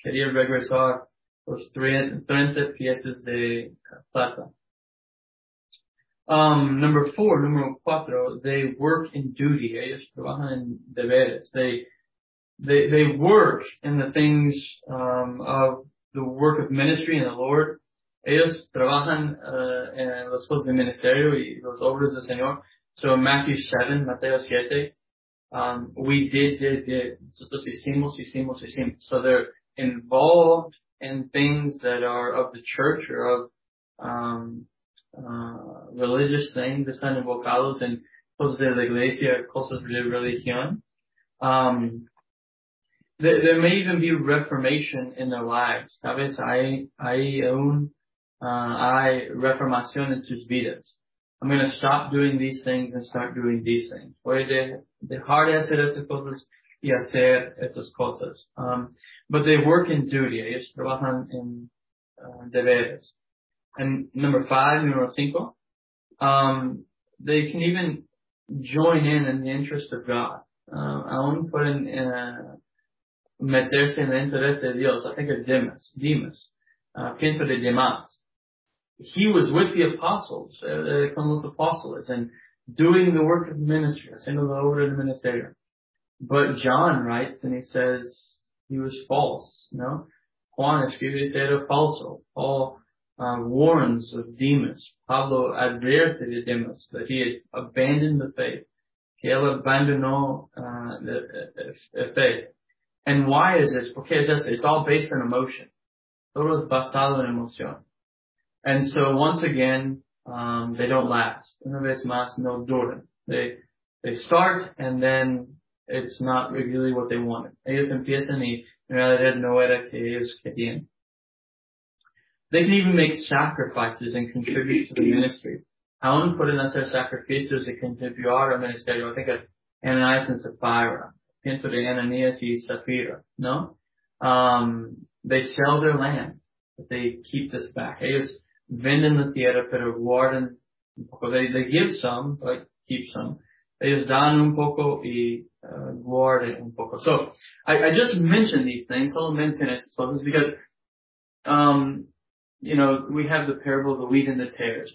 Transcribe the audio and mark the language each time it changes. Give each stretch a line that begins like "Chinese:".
Spanish: Quería regresar los 30 piezas de plata.
English: Number cuatro, they work in duty.
Spanish: Ellos trabajan en deberes.
English: They work in the things of the work of ministry in the Lord.
Spanish: Ellos trabajan en las cosas del ministerio y las obras del Señor.
English: So in Mateo 7, we did.
Spanish: Nosotros hicimos.
English: So they're involved in things that are of the church or of religious things.
Spanish: Están involucrados en cosas de la iglesia, cosas de religión.
English: There may even be reformation in their lives.
Spanish: Tal vez hay reformación en sus vidas.
English: I'm going to stop doing these things and start doing these things.
Spanish: Voy a dejar de hacer esas cosas y hacer esas cosas.
English: But they work in duty.
Spanish: Ellos trabajan en deberes.
English: And number cinco, they can even join in the interest of God.
Spanish: Aún pueden meterse en el interés de Dios.
English: I think of Demas.
Spanish: Pienso de Demas.
English: He was with the apostles,
Spanish: con los apóstoles,
English: and doing the work of ministry,
Spanish: haciendo la obra del ministerio.
English: But John writes, and he says he was false, you know?
Spanish: Juan escribe, dice, era falso.
English: Paul warns of Demas.
Spanish: Pablo advierte de Demas
English: that he had abandoned the faith.
Spanish: Que él abandonó la fe.
English: And why is this?
Spanish: Porque
English: it's all based on emotion.
Spanish: Todo es basado en emoción.
English: And so once again, they don't last.
Spanish: Una vez más, no duran.
English: They start and then it's not really what they wanted.
Spanish: Ellos empiezan y en realidad no era que ellos querían.
English: They can even make sacrifices and contribute to the ministry.
Spanish: Aún pueden hacer sacrificios y contribuir al ministerio.
English: I think of Ananias and Sapphira.
Spanish: Pienso de Ananias y Sapphira, no?
English: They sell their land, but they keep this back.
Spanish: Ellos venden la tierra, pero guardan un poco.
English: They give some, but keep some.
Spanish: Ellos dan un poco y guardan un poco.
English: So, I just mentioned these things. I'll mention it. So, this is because, you know, we have the parable of the wheat and the tares.